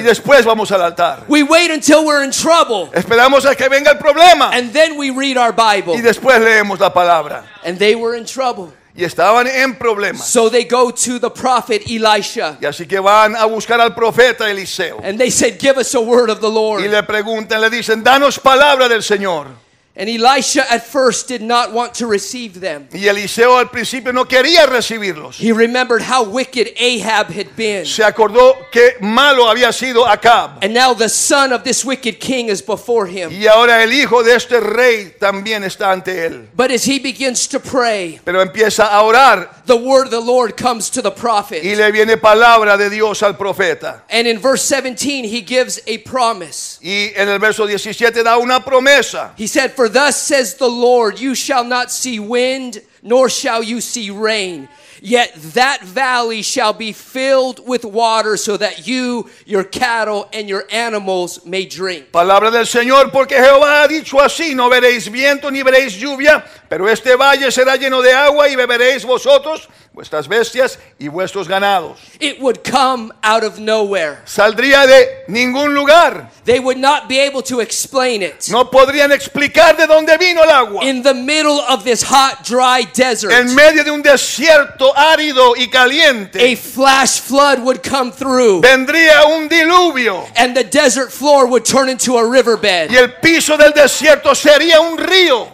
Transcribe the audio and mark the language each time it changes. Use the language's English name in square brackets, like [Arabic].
[Spanish] Y después vamos al altar. [English] We wait until we're in trouble. [Spanish] Esperamos hasta que venga el problema. [English] And then we read our Bible. [Spanish] Y después leemos la palabra. [English] And they were in trouble. [Spanish] Y estaban en problemas. [English] So they go to the prophet Elisha. [Spanish] Y así que van a buscar al profeta Eliseo. [English] And they said, give us a word of the Lord. [Spanish] Y le preguntan, le dicen, danos palabra del Señor. [English] And Elisha at first did not want to receive them. [Spanish] Y Eliseo al principio no quería recibirlos. [English] He remembered how wicked Ahab had been. [Spanish] Se acordó qué malo había sido Acab. [English] And now the son of this wicked king is before him. [Spanish] Y ahora el hijo de este rey también está ante él. [English] But as he begins to pray, [Spanish] pero empieza a orar, [English] the word of the Lord comes to the prophet. [Spanish] Y le viene palabra de Dios al profeta. [English] And in verse 17 he gives a promise. [Spanish] Y en el verso 17 da una promesa. [English] He said, for thus says the Lord, you shall not see wind, nor shall you see rain. Yet that valley shall be filled with water, so that you, your cattle, and your animals may drink. [Spanish] Palabra del Señor, porque Jehová ha dicho así, no veréis viento ni veréis lluvia, pero este valle será lleno de agua y beberéis vosotros, vuestras bestias y vuestros ganados. [English] It would come out of nowhere. [Spanish] Saldría de ningún lugar. [English] They would not be able to explain it. [Spanish] No podrían explicar de dónde vino el agua. [English] In the middle of this hot, dry desert. [Spanish] En medio de un desierto árido y caliente. [English] A flash flood would come through. [Spanish] Vendría un diluvio. [English] And the desert floor would turn into a riverbed. [Spanish] Y el piso del desierto sería un río.